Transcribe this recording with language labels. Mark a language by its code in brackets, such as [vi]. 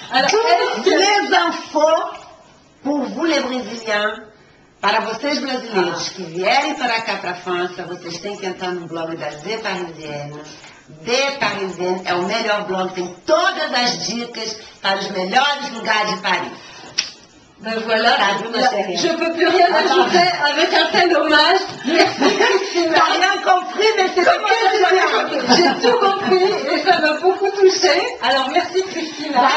[fr] Toutes les infos pour vous les Brésiliens. [pt] Para vocês brasileiros que vierem para cá para a França, vocês têm que entrar no blog da Z Parisienne. De Parisienne é o melhor blog, tem todas as dicas para os melhores lugares de Paris. [fr] Ben voilà, je ne peux plus rien ajouter avec un tel hommage. Tu n'as rien compris, mais c'est tout ce que j'ai tout compris et ça m'a beaucoup touchée. Alors merci Christina.